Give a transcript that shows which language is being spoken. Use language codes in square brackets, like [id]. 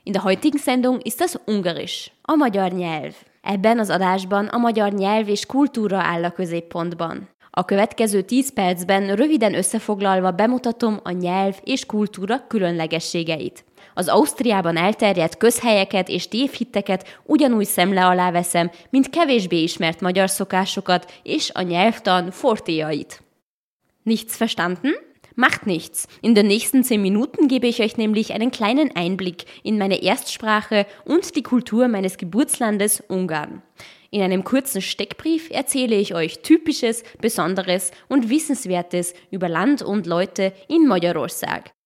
[de] In der heutigen Sendung ist das Ungarisch, [hu] a magyar nyelv. Ebben az adásban a magyar nyelv és kultúra áll a középpontban. A következő 10 percben röviden összefoglalva bemutatom a nyelv és kultúra különlegességeit. Az Ausztriában elterjedt közhelyeket és tévhitteket ugyanúgy szemle alá veszem, mint kevésbé ismert magyar szokásokat és a nyelvtan fortéjait. [de] Nichts verstanden? Macht nichts. In den nächsten 10 Minuten gebe ich euch nämlich einen kleinen Einblick in meine Erstsprache und die Kultur meines Geburtslandes Ungarn. In einem kurzen Steckbrief erzähle ich euch Typisches, Besonderes und Wissenswertes über Land und Leute in Magyarország.